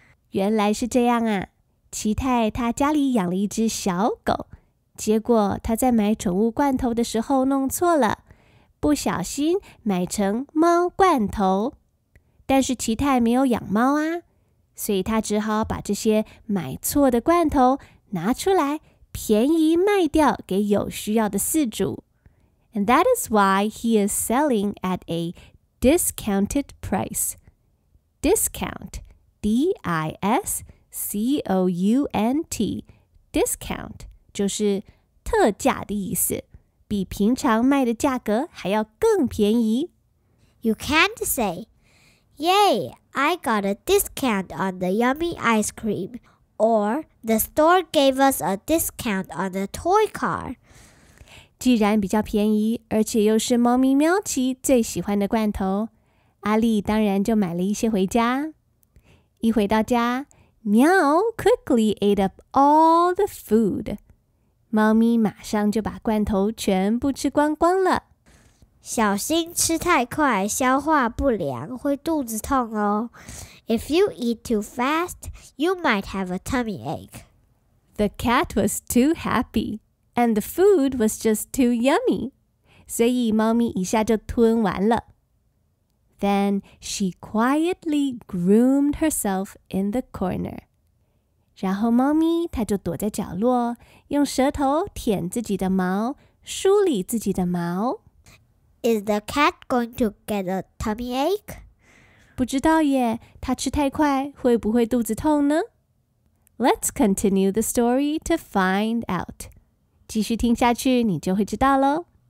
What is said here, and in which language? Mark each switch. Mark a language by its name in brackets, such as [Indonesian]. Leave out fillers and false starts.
[Chinese] 原来是这样啊，奇泰他家里养了一只小狗，结果他在买宠物罐头的时候弄错了，不小心买成猫罐头。但是奇泰没有养猫啊，所以他只好把这些买错的罐头拿出来便宜卖掉给有需要的饲主。 [English] And that is why he is selling at a discounted price. [Chinese] Discount, D-I-S-C-O-U-N-T, discount, 就是特价的意思，比平常卖的价格还要更便宜。 [English] You can't say, Yay, I got a discount on the yummy ice cream. Or, the store gave us a discount on the toy car. [Chinese] 既然比较便宜，而且又是猫咪喵奇最喜欢的罐头，阿丽当然就买了一些回家。一回到家，喵 [English] quickly ate up all the food. [Chinese] 猫咪马上就把罐头全部吃光光了。小心吃太快，消化不良，会肚子痛哦。 [English] If you eat too fast, you might have a tummy ache. The cat was too happy, and the food was just too yummy. [Chinese] 所以猫咪一下就吞完了。 [English] Then she quietly groomed herself in the corner. [Chinese] 然后猫咪她就躲在角落，用舌头舔自己的毛，梳理自己的毛。 [English] Is the cat going to get a tummy ache? [Chinese] 不知道耶，她吃太快会不会肚子痛呢？ [English] Let's continue the story to find out. [Chinese] 继续听下去你就会知道咯。